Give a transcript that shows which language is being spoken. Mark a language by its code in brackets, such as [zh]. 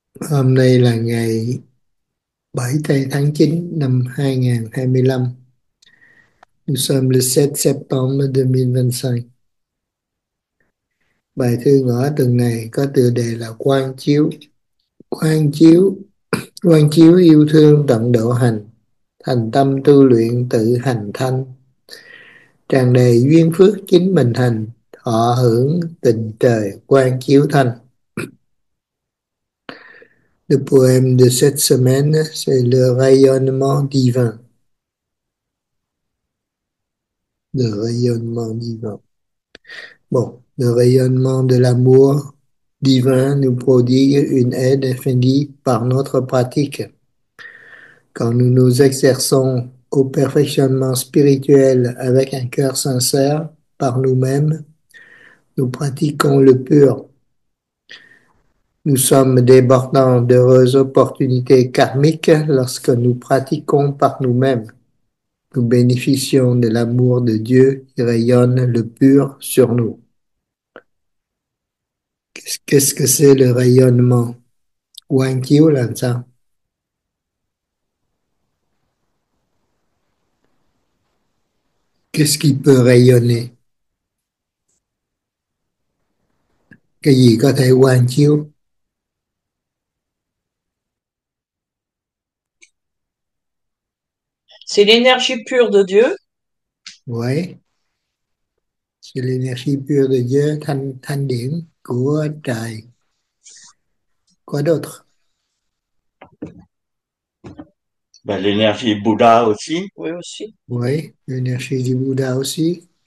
[vi] Hôm nay là ngày 7 tháng 9 năm 2025. [fr] Nous sommes le 7 septembre 2025. [vi] Bài thư ngữ tuần này có tựa đề là Quang chiếu. Quang chiếu, quang chiếu yêu thương tận độ hành, thành tâm tu luyện tự hành thanh. Tràn đầy duyên phước chính mình hành, thọ hưởng tình trời quang chiếu thanh. [fr] Le poème de cette semaine, c'est le rayonnement divin. Le rayonnement divin. Bon, le rayonnement de l'amour divin nous prodigue une aide infinie par notre pratique. Quand nous nous exerçons au perfectionnement spirituel avec un cœur sincère par nous-mêmes, nous pratiquons le pur. Nous sommes débordants d'heureuses opportunités karmiques lorsque nous pratiquons par nous-mêmes. Nous bénéficions de l'amour de Dieu qui rayonne le pur sur nous. Qu'est-ce que c'est le rayonnement? [vi] Quang chiếu là [fr] ça? Qu'est-ce qui peut rayonner? [vi] Cái gì có thể quang chiếu? [fr] C'est l'énergie pure de Dieu. Oui, c'est l'énergie pure de Dieu, [vi] thanh thanh điển của trời. [fr] Quoi d'autre? L'énergie Bouddha aussi. Oui, aussi. Oui, l'énergie du Bouddha aussi.